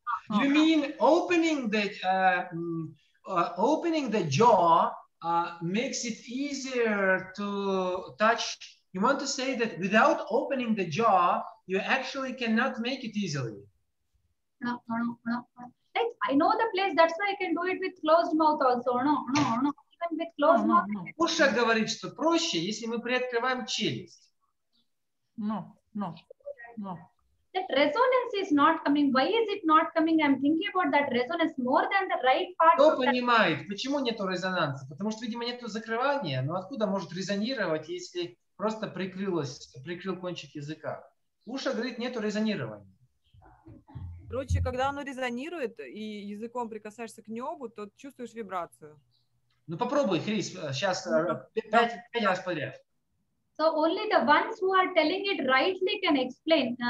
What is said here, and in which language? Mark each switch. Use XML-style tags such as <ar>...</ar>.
<en>You mean opening the jaw makes it easier to touch. You want to say that without opening the jaw, you actually cannot make it easily. No. Like I know the place. That's why I can do it with closed mouth also. No. Even with closed mouth.</en> <ru>Уша говорит, что проще, если мы приоткрываем челюсть.</ru> <en>No. That resonance is not coming. Why is it not coming? I'm thinking about that resonance more than the right part.</en> <ru>Кто понимает, почему нету резонанса? Потому что, видимо, нету закрывания. Но откуда может резонировать, если просто прикрыл кончик языка? Уша говорит, нету резонирования. Короче, когда оно резонирует и языком прикасаешься к небу, то чувствуешь вибрацию. Ну попробуй, Крис, сейчас пять раз подряд.</ru> <en>So only the ones who are telling it rightly can explain.</en>